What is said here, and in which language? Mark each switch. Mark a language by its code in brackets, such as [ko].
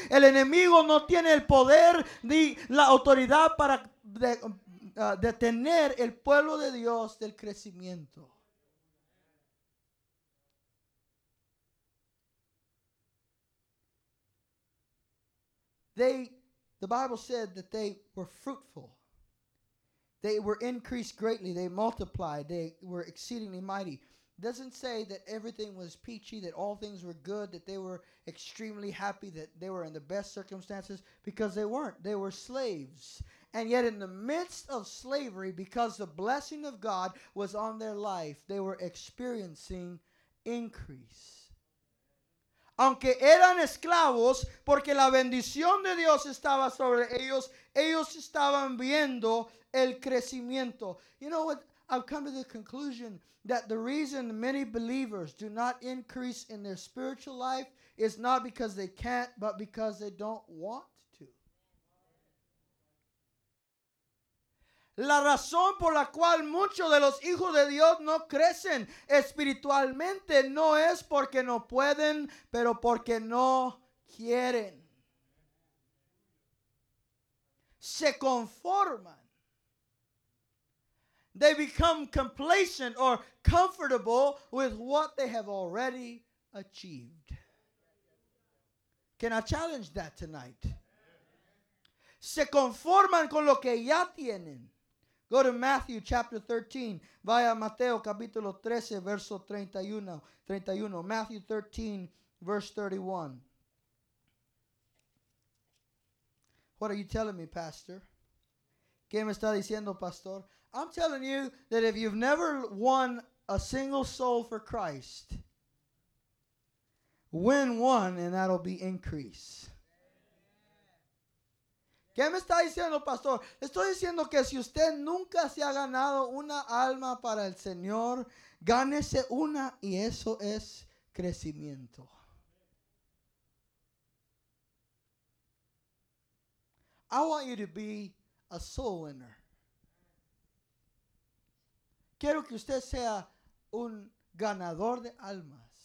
[es] El enemigo no tiene el poder ni la autoridad para detener el pueblo de Dios del crecimiento. [en] The Bible said that they were fruitful. They were increased greatly. They multiplied. They were exceedingly mighty. It doesn't say that everything was peachy, that all things were good, that they were extremely happy, that they were in the best circumstances, because they weren't. They were slaves. And yet in the midst of slavery, because the blessing of God was on their life, they were experiencing increase. [es] Aunque eran esclavos, porque la bendición de Dios estaba sobre ellos, ellos estaban viendo el crecimiento. [en] You know what? I've come to the conclusion that the reason many believers do not increase in their spiritual life is not because they can't, but because they don't want. [es] La razón por la cual muchos de los hijos de Dios no crecen espiritualmente no es porque no pueden, pero porque no quieren. Se conforman. [en] They become complacent or comfortable with what they have already achieved. Can I challenge that tonight? [es] Se conforman con lo que ya tienen. [en] Go to Matthew chapter 13. [es] Vaya Mateo capítulo 13, verso 31. [en] Matthew 13, verse 31. What are you telling me, Pastor? [es] ¿Qué me está diciendo, Pastor? [en] I'm telling you that if you've never won a single soul for Christ, win one and that'll be increase. [es] ¿Qué me está diciendo, pastor? Estoy diciendo que si usted nunca se ha ganado una alma para el Señor, gánese una y eso es crecimiento. [en] I want you to be a soul winner. [es] Quiero que usted sea un ganador de almas.